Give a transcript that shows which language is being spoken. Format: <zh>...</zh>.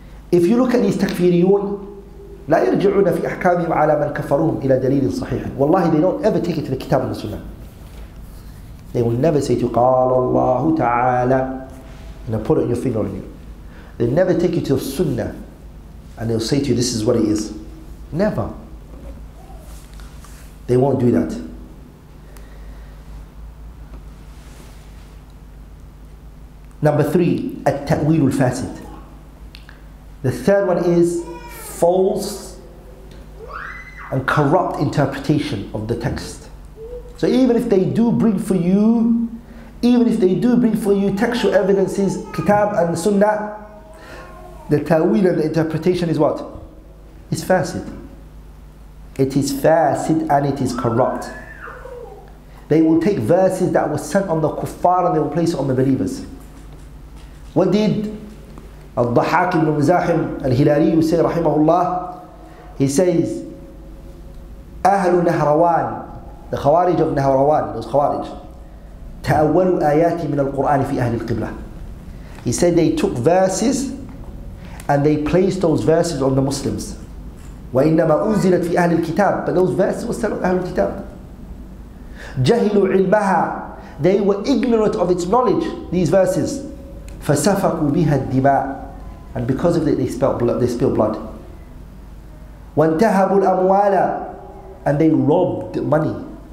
<en>If you look at these takfiriyun,</en> <ar>لا يرجعون في أحكامهم على من كفرهم إلى دليل صحيح.</ar> <en>Wallahi, they don't ever take it to the Kitab and the Sunnah. They will never say to you,</en> <ar>قال الله تعالى,</ar> <en>and they'll put it on your finger on you. They'll never take you to the Sunnah and they'll say to you, this is what it is. Never. They won't do that. Number three,</en> <ar>التأويل الفاسد.</ar> <en>The third one is false and corrupt interpretation of the text. So even if they do bring for you, textual evidences, Kitab and Sunnah, the ta'wil and the interpretation is what? It's fasid. It is fasid and it is corrupt. They will take verses that were sent on the kuffar and they will place it on the believers. What did Al-Dhahak ibn Muzahim al-Hilali say, rahimahullah? He says,</en> <ar>أهل نهروان,</ar> <en>the Khawarij of Nahrawan, those Khawarij,</en> <ar>تأولوا آيات من القرآن في أهل القبلة.</ar> <en>He said they took verses and they placed those verses on the Muslims.</en> <ar>وإنما أنزلت في أهل الكتاب,</ar> <en>but those verses were sent on</en> <ar>أهل الكتاب. جهلوا علمها,</ar> <en>they were ignorant of its knowledge, these verses.</en> <ar>فسفكوا بها الدماء,</ar> <en>and because of it they spilled blood.</en> <ar>وانتهبوا الأموال,</ar> <en>and they robbed money.</en>